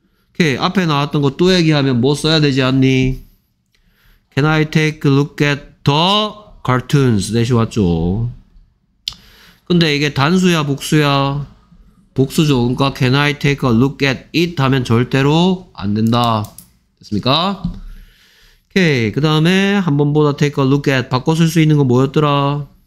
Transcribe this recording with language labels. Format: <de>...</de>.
<ko>Okay, 앞에 나왔던 거 또 얘기하면 뭐 써야 되지 않니?</ko> <en>Can I take a look at the cartoons?</en> <ko>대시 왔죠. 근데 이게 단수야 복수야? 복수죠. 그러니까</ko> <en>Can I take a look at it?</en> <ko>하면 절대로 안 된다. 됐습니까? 오케이. 그 다음에 한 번보다 take a look at 바꿔 쓸 수 있는 거 뭐였더라?</ko>